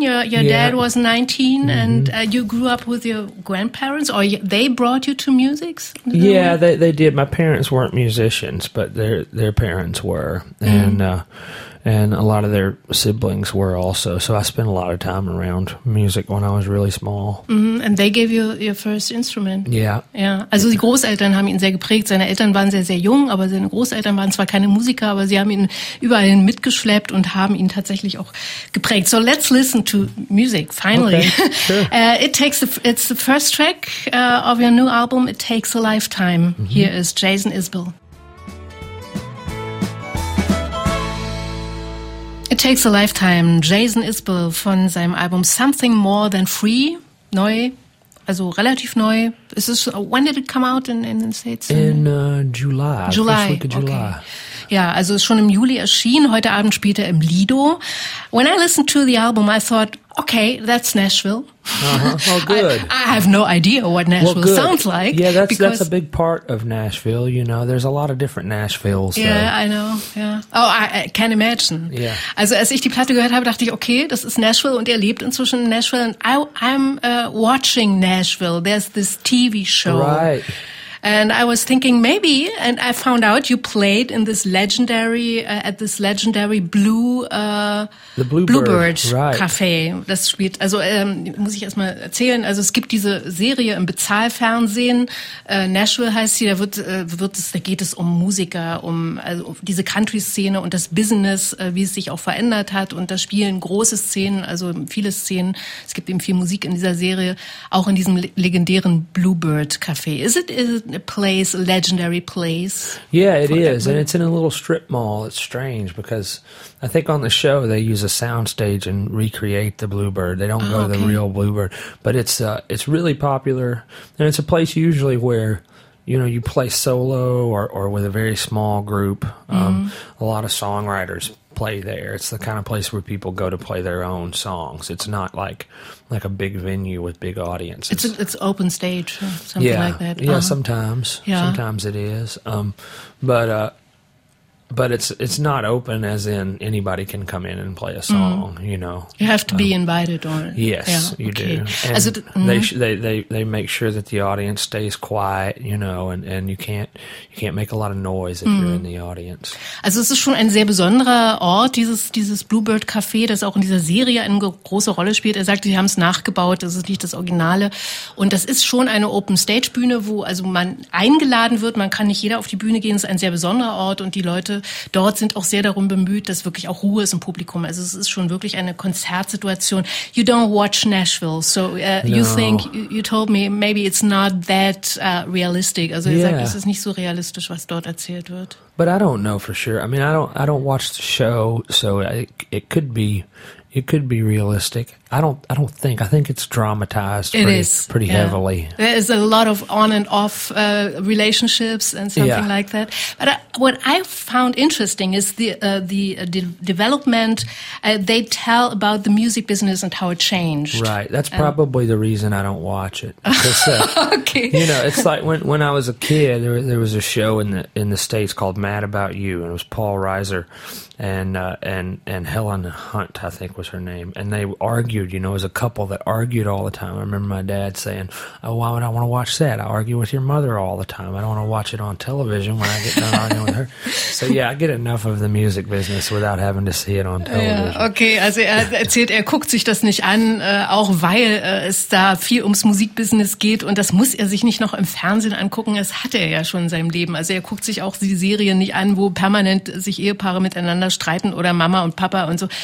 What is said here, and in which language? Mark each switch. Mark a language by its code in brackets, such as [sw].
[en] Your dad was 19, and you grew up with your grandparents, or they brought you to music? Yeah, they did. My parents weren't musicians, but their parents were, and a lot of their siblings were also. So I spent a lot of time around music when I was really small. Mm-hmm. And they gave you your first instrument. Yeah. [de] Ja. Also die Großeltern haben ihn sehr geprägt. Seine Eltern waren sehr, sehr jung, aber seine Großeltern waren zwar keine Musiker, aber sie haben ihn überall hin mitgeschleppt und haben ihn tatsächlich auch geprägt. [en] So let's listen to music, finally. Okay, sure. It's the first track of your new album, It Takes a Lifetime. Mm-hmm. Here is Jason Isbell. [de] It Takes a Lifetime, Jason Isbell von seinem Album Something More Than Free, neu, also relativ neu. [en] Is this, when did it come out in the States? In July. July, first week of July. Okay. [de] Ja, also ist schon im Juli erschienen, heute Abend spielt er im Lido. [en] When I listened to the album, I thought, okay, that's Nashville. Uh-huh. Oh, good. I have no idea what Nashville sounds like. Yeah, that's a big part of Nashville, you know. There's a lot of different Nashvilles. Yeah, I know, yeah. Oh, I can imagine. Yeah. [de] Also als ich die Platte gehört habe, dachte ich, okay, das ist Nashville und er lebt inzwischen in Nashville. [en] And I'm watching Nashville. There's this TV show. Right. And I was thinking maybe, and I found out you played in this legendary, at this legendary Blue, the Bluebird right. [de] Café. Das spielt, also, muss ich erstmal erzählen. Also, es gibt diese Serie im Bezahlfernsehen, Nashville heißt sie, da geht es um Musiker, also um diese Country-Szene und das Business, wie es sich auch verändert hat. Und da spielen große Szenen, also viele Szenen. Es gibt eben viel Musik in dieser Serie, auch in diesem legendären Bluebird Café. [en] A legendary place. Yeah, it is. And it's in a little strip mall. It's strange because I think on the show they use a soundstage and recreate the Bluebird. They don't go to the real Bluebird. But it's really popular. And it's a place usually where, you know, you play solo or with a very small group. A lot of songwriters play there. It's the kind of place where people go to play their own songs. It's not like a big venue with big audiences. It's open stage, something yeah. like that. Yeah, sometimes. Yeah. Sometimes it is. But it's not open as in anybody can come in and play a song, you know. You have to be invited or yes, yeah, you okay. do. And also, they make sure that the audience stays quiet, you know, and you can't make a lot of noise if you're in the audience. [de] Also es ist schon ein sehr besonderer Ort, dieses Bluebird Café, das auch in dieser Serie eine große Rolle spielt. Er sagt, sie haben es nachgebaut, das ist nicht das Originale. Und das ist schon eine Open Stage Bühne, wo also man eingeladen wird, man kann nicht jeder auf die Bühne gehen, es ist ein sehr besonderer Ort und die Leute dort sind auch sehr darum bemüht, dass wirklich auch Ruhe ist im Publikum. Also es ist schon wirklich eine Konzertsituation. [en] You don't watch Nashville, so no. you think, you told me, maybe it's not that realistic. [de] Also [en] yeah. [de] er sagt, es ist nicht so realistisch, was dort erzählt wird. [en] But I don't know for sure. I mean, I don't watch the show, so it could be realistic. I think it's dramatized pretty heavily. There is a lot of on and off relationships and something like that. But what I found interesting is the development they tell about the music business and how it changed. Right. That's probably the reason I don't watch it. Because, okay. You know, it's like when I was a kid, there was a show in the States called Mad About You, and it was Paul Reiser and Helen Hunt, I think was her name, and they argued. You know, as a couple that argued all the time. I remember my dad saying, "Oh, why would I want to watch that? I argue with your mother all the time. I don't want to watch it on television when I get done arguing with her." So yeah, I get enough of the music business without having to see it on television. Yeah, [de] okay, also erzählt, guckt sich das nicht an, auch weil es da viel ums Musikbusiness geht und das muss sich nicht noch im Fernsehen angucken. Das hat ja schon in seinem Leben. Also guckt sich auch die Serien nicht an, wo permanent sich Ehepaare miteinander streiten oder Mama und Papa und so.